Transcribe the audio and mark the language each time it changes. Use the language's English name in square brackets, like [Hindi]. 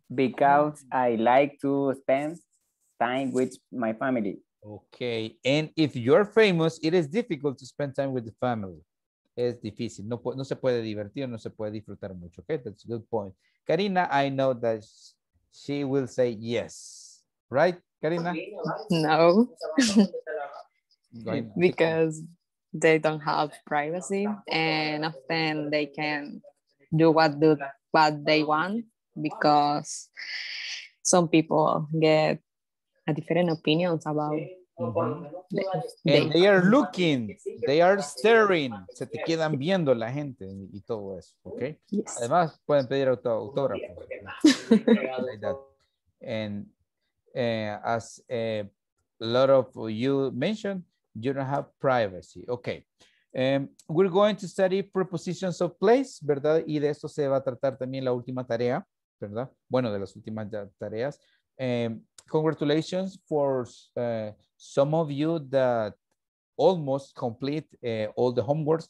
[English] Because I like to spend time with my family. Okay. And if you're famous, it is difficult to spend time with the family. [Spanish] Es difícil, no se puede divertir, no se puede disfrutar mucho, okay? [English] That's a good point. Karina, I know that she will say yes. Right, Karina? No. Because they don't have privacy and often they can do what they want because some people get a different opinions about Mm-hmm. And they are looking, they are staring, [Spanish] se te quedan viendo la gente y todo eso, [English] ok. Yes. [Spanish] Además, pueden pedir autógrafo. [English] Like that. And as a lot of you mentioned, you don't have privacy, ok. We're going to study prepositions of place, ¿verdad? [Spanish] Y de eso se va a tratar también la última tarea, ¿verdad? Bueno, de las últimas tareas. [English] Congratulations for some of you that almost complete all the homeworks.